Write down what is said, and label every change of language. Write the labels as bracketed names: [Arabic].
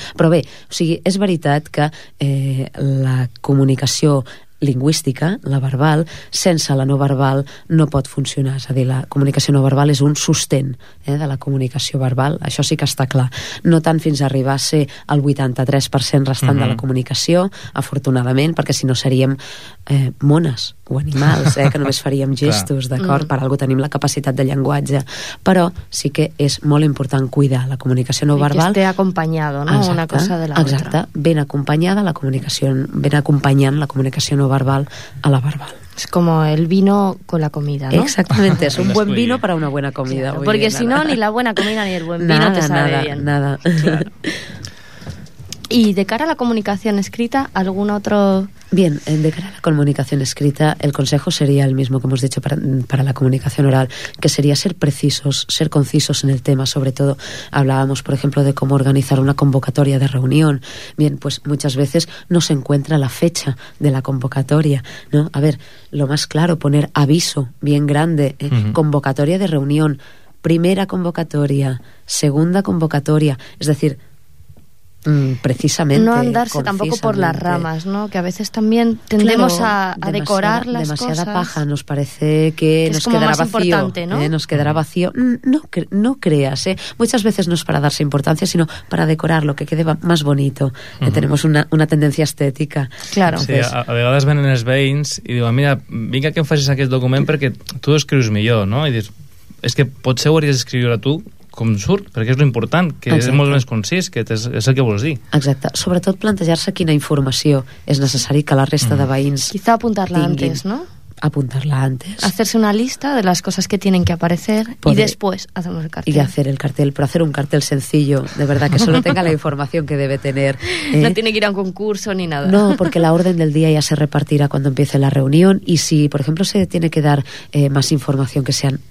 [Catalan] Però bé, o sigui, és veritat que la comunicació lingüística, la verbal, sense la no verbal no pot funcionar, és a dir, la comunicació no verbal és un sostén de la comunicació verbal, això sí que està clar, no tant fins a arribar a ser el 83% restant de la comunicació, afortunadament, perquè si no seríem mones o animals, que només faríem gestos, d'acord? Per algú tenim la capacitat de llenguatge, però sí que és molt important cuidar la comunicació no verbal i que esté acompanyado, no? Exacte, una cosa de l'altra. Exacte, ben acompanyada la comunicació, ben acompanyant la comunicació no verbal a la verbal. [Spanish] Es como el vino con la comida, ¿no? Exactamente, es un buen vino para una buena comida. Claro, porque si no, ni la buena comida ni el buen vino nada, te sabe nada, bien. Nada. Claro. Y de cara a la comunicación escrita, ¿algún otro...? Bien, de cara a la comunicación escrita, el consejo sería el mismo que hemos dicho para la comunicación oral, que sería ser precisos, ser concisos en el tema, sobre todo hablábamos, por ejemplo, de cómo organizar una convocatoria de reunión. Bien, pues muchas veces no se encuentra la fecha de la convocatoria, ¿no? A ver, lo más claro, poner aviso bien grande, convocatoria de reunión, primera convocatoria, segunda convocatoria, es decir... precisamente no andarse tampoco por las ramas, ¿no? Que a veces también tendemos a decorar las demasiada Demasiada paja, nos parece que nos quedará vacío, ¿no? Nos quedará vacío. No creas, muchas veces no es para darse importancia, sino para decorar lo que quede más bonito. Tenemos una tendencia estética. Claro. [Catalan] Sí, a vegades venen els veïns i diuen, mira, vinga que em facis aquest document perquè tu escrius millor, ¿no? I dius, és que potser ho hauries d'escriure tu com surt, perquè és lo important, que exacte, és molt més concís, que és el que vols dir. Exacte. Sobretot plantejar-se quina informació és necessari que la resta de veïns [Spanish] quizá apuntar-la antes, ¿no? Apuntar-la antes. Hacerse una lista de las cosas que tienen que aparecer. Poder. Y después hacemos el cartel. Y hacer el cartel, pero hacer un cartel sencillo, de verdad, que solo tenga la información que debe tener. No tiene que ir a un concurso ni nada. No, porque la orden del día ya se repartirá cuando empiece la reunión y si, por ejemplo, se tiene que dar más información que sean